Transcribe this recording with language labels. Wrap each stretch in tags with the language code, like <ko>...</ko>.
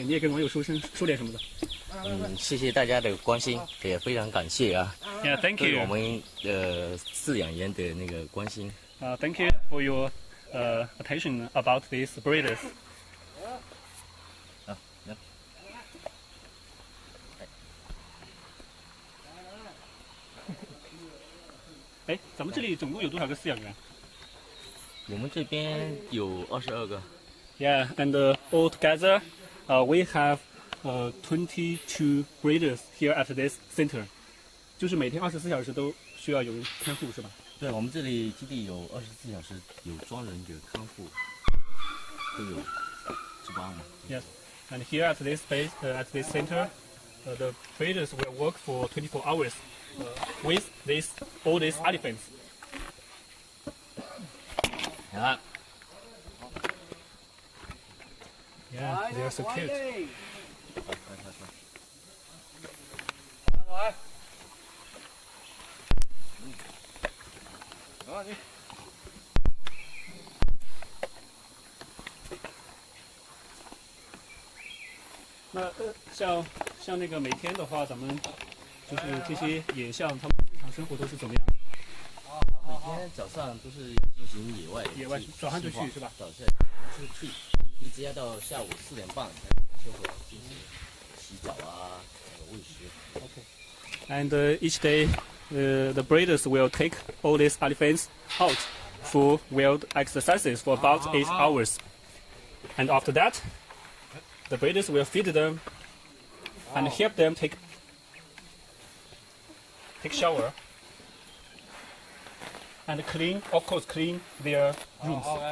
<zh>你也跟网友说声说点什么的。谢谢大家的关心，也非常感谢啊。</zh> <en>Yeah, thank you.</en> <zh>对我们饲养员的那个关心。</zh> <en>Thank you for your attention about these breeders.</en> <zh>哎，咱们这里总共有多少个饲养员？我们这边有22个。</zh> <en>Yeah, and altogether, we have 22 breeders here at this center.</en> <zh>就是每天24小时都需要有人看护，是吧？对，我们这里基地有24小时有专人的看护，都有值班嘛。</zh> <en>Yes, and here at this base, at this center, the breeders will work for 24 hours. With this, all these elephants. Yeah, they are so cute. Come on.</en> <zh>那个每天的话，咱们。就是这些野象，它们日常生活都是怎么样？每天早上都是进行野外，野外早上就去是吧？早上就去，一直要到下午4:30才收回，进行洗澡啊，喂食。</zh> <en>Okay. And each day, the breeders will take all these elephants out for wild exercises for about 8 hours, and after that, the breeders will feed them and help them take shower and clean, of course, clean their rooms.</en>